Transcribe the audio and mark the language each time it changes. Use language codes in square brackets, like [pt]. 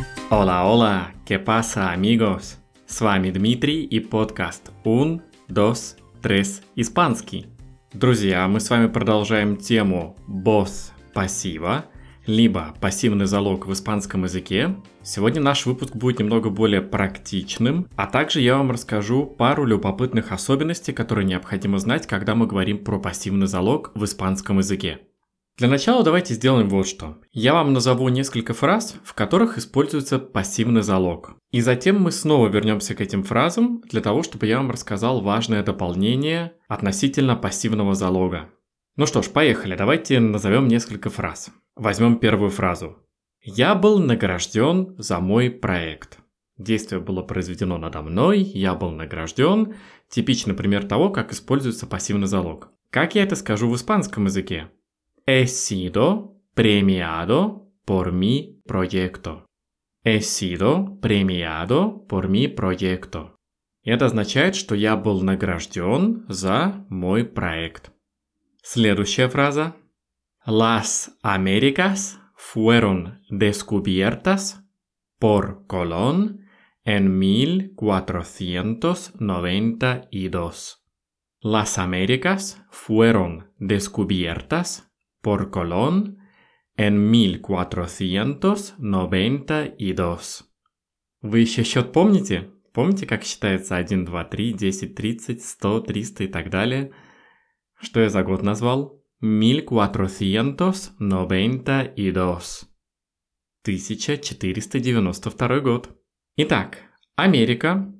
[es] Hola, hola, ¿qué pasa, amigos? [ru] С вами Дмитрий и подкаст Un, Dos, Tres, испанский. Друзья, мы с вами продолжаем тему «Босс пассива», либо «Пассивный залог в испанском языке». Сегодня наш выпуск будет немного более практичным, а также я вам расскажу пару любопытных особенностей, которые необходимо знать, когда мы говорим про пассивный залог в испанском языке. Для начала давайте сделаем вот что. Я вам назову несколько фраз, в которых используется пассивный залог. И затем мы снова вернемся к этим фразам, для того, чтобы я вам рассказал важное дополнение относительно пассивного залога. Ну что ж, поехали, давайте назовем несколько фраз. Возьмем первую фразу. Я был награжден за мой проект. Действие было произведено надо мной, я был награжден. Типичный пример того, как используется пассивный залог. Как я это скажу в испанском языке? [es] He sido premiado por mi proyecto. He sido premiado por mi proyecto. [ru] Это означает, что я был награжден за мой проект. Следующая фраза. [es] Las Américas fueron descubiertas por Colón en 1492. Las Américas fueron descubiertas por Colón en 1492. [ru] Вы еще счет помните? Помните, как считается 1, 2, 3, 10, 30, 100, 300 и так далее? Что я за год назвал? 1492. 1492 год. Итак, Америка.